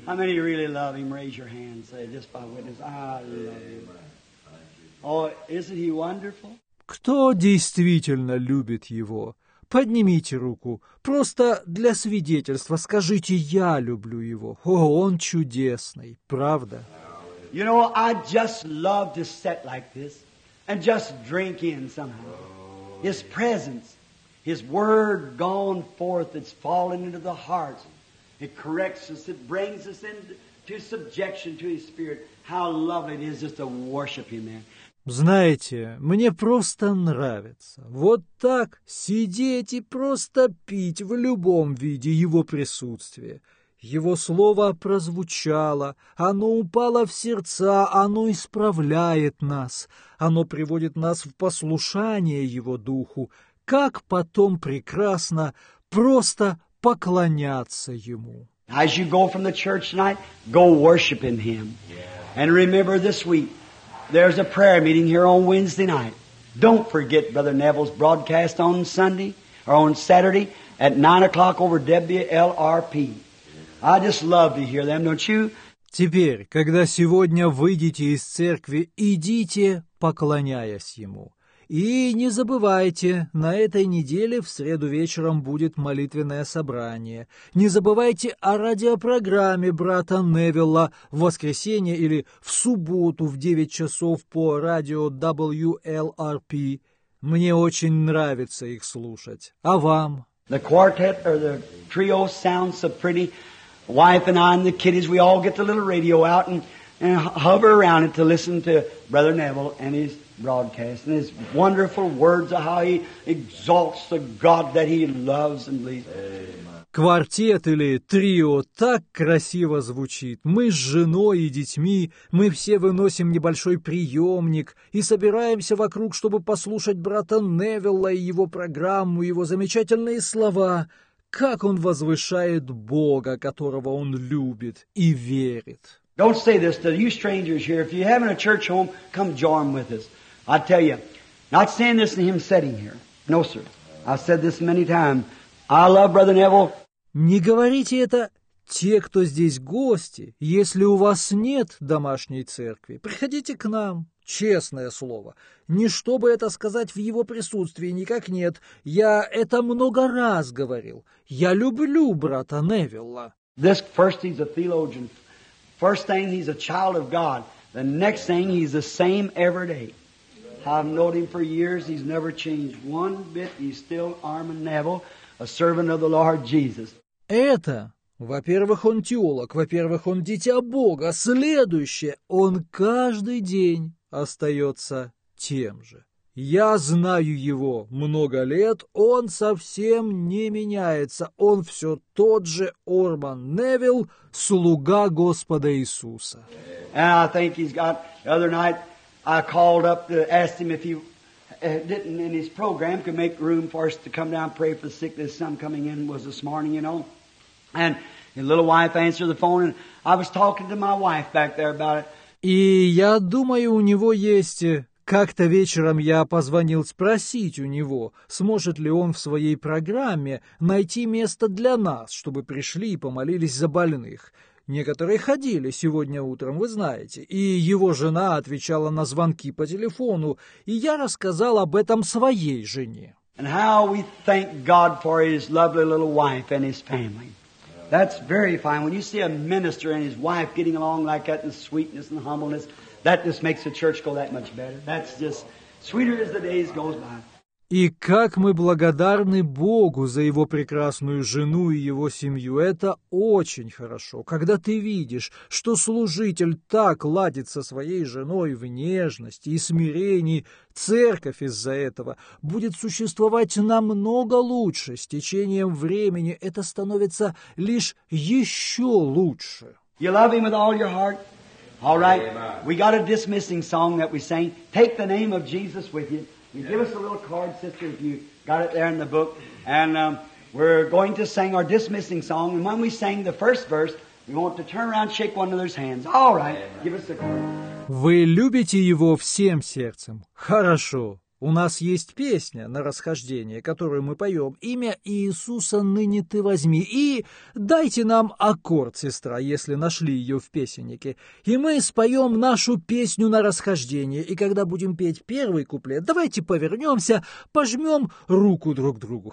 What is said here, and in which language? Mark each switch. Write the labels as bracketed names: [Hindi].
[English] How many really love Him? Raise your hand, say just by witness, I love Him. Oh, isn't He wonderful? [Russian] Кто действительно любит Его? Поднимите руку, просто для свидетельства, скажите «Я люблю Его». О, Он чудесный, правда? [English] You know, I just love to sit like this and just drink in somehow. His presence, His word gone forth, it's fallen into the heart. It corrects us, it brings us into subjection to His Spirit. How lovely it is just to worship Him, man. [Russian] Знаете, мне просто нравится вот так сидеть и просто пить в любом виде Его присутствие. Его слово прозвучало, оно упало в сердца, оно исправляет нас, оно приводит нас в послушание Его Духу. Как потом прекрасно просто поклоняться Ему. [English] As you go from the church tonight, go worshiping Him. And remember this week, there's a prayer meeting here on Wednesday night. Don't forget Brother Neville's broadcast on Sunday or on Saturday at 9 o'clock over WLRP. I just love to hear them, don't you? [Russian] Теперь, когда сегодня выйдете из церкви, идите, поклоняясь Ему. И не забывайте, на этой неделе в среду вечером будет молитвенное собрание. Не забывайте о радиопрограмме брата Невилла в воскресенье или в субботу в 9 часов по радио WLRP. Мне очень нравится их слушать. А вам? [English] The quartet or the trio sounds so pretty. Wife and I and the kiddies, we all get the little radio out and hover around it to listen to Brother Neville and his broadcast and his wonderful words of how he exalts the God that he loves and believes. [Russian] Квартет или трио так красиво звучит. Мы с женой и детьми, мы все выносим небольшой приемник и собираемся вокруг, чтобы послушать брата Невилла и его программу, его замечательные слова. Как он возвышает Бога, которого он любит и верит. [English] Don't say this to you strangers here. If you haven't a church home, come join with us. I tell you, not saying this in him sitting here. No, sir. I've said this many times. I love Brother Neville. [Russian] Не говорите это те, кто здесь гости. Если у вас нет домашней церкви, приходите к нам. Честное слово. Не чтобы это сказать в его присутствии, никак нет. Я это много раз говорил. Я люблю брата Невилла. [English] This first he's a theologian. First thing he's a child of God. The next thing he's the same every day. I've known him for years. He's never changed one bit. He's still Armand Neville, a servant of the Lord Jesus. [Russian] Это Во-первых, он теолог, во-первых, он дитя Бога. Следующее, он каждый день остается тем же. Я знаю его много лет, он совсем не меняется. Он все тот же Орман Невилл, слуга Господа Иисуса. [English] And I think he's got, the other night I called up to ask him if he didn't in his program could make room for us to come down and pray for the sick. There's some coming in, was this morning, you know. And his little wife answered the phone, and I was talking to my wife back there about it. [Russian] И я думаю, у него есть... Как-то вечером я позвонил спросить у него, сможет ли он в своей программе найти место для нас, чтобы пришли и помолились за больных. Некоторые ходили сегодня утром, вы знаете, и его жена отвечала на звонки по телефону, и я рассказал об этом своей жене. [English] And how we thank God for his lovely little wife and his family. That's very fine. When you see a minister and his wife getting along like that in sweetness and humbleness, that just makes the church go that much better. That's just sweeter as the days go by. [Russian] И как мы благодарны Богу за его прекрасную жену и его семью. Это очень хорошо, когда ты видишь, что служитель так ладит со своей женой в нежности и смирении. Церковь из-за этого будет существовать намного лучше с течением времени. Это становится лишь еще лучше. [English] You love him with all your heart? All right. We got a dismissing song that we sang. Take the name of Jesus with you. You give us a little card, sister, if you got it there in the book. And we're going to sing our dismissing song. And when we sang the first verse, we want to turn around and shake one another's hands. All right. Amen. Give us the card. [Russian] Вы любите его всем сердцем. Хорошо. У нас есть песня на расхождение, которую мы поем. «Имя Иисуса ныне ты возьми». И дайте нам аккорд, сестра, если нашли ее в песеннике. И мы споем нашу песню на расхождение. И когда будем петь первый куплет, давайте повернемся, пожмем руку друг другу.